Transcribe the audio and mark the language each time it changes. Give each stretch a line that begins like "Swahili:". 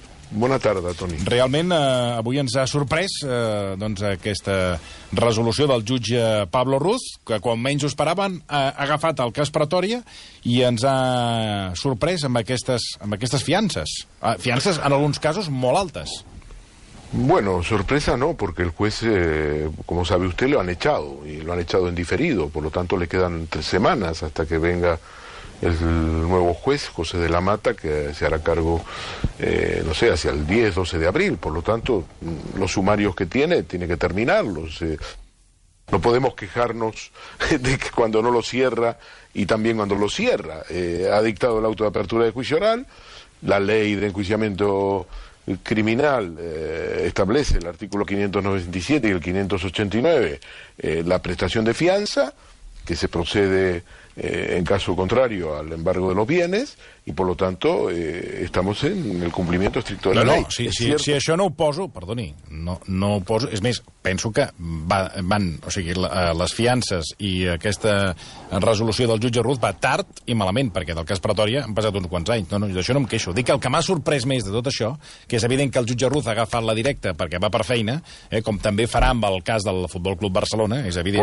Catalan: Bona tarda, Toni. Realment, avui ens ha sorprès aquesta resolució del jutge Pablo Ruz, que quan menys ho esperaven ha agafat el cas Pretòria i ens ha sorprès amb aquestes fiances. Fiances, en alguns casos, molt altes.
Spanish: Bueno, sorpresa no, porque el juez, como sabe usted, lo han echado, y lo han echado en diferido, por lo tanto le quedan 3 semanas hasta que venga el nuevo juez, José de la Mata, que se hará cargo, hacia el 10, 12 de abril. Por lo tanto, los sumarios que tiene que terminarlos. No podemos quejarnos de que cuando no lo cierra, y también cuando lo cierra, ha dictado el auto de apertura de juicio oral. La ley de enjuiciamiento criminal establece el artículo 597 y el 589 la prestación de fianza, que se procede en caso contrario al embargo de los bienes, y por lo tanto estamos en el cumplimiento estricto de la ley.
Catalan: Si això no ho poso, perdoni, no ho poso, és més, penso que les fiances i aquesta resolució del jutge Ruz va tard i malament, perquè del cas Pretòria han passat uns quants anys. No, d'això no em queixo. Dic que el que m'ha sorprès més de tot això, que és evident que el jutge Ruz ha agafat la directa perquè va per feina, com també farà amb el cas del Futbol Club Barcelona, és evident.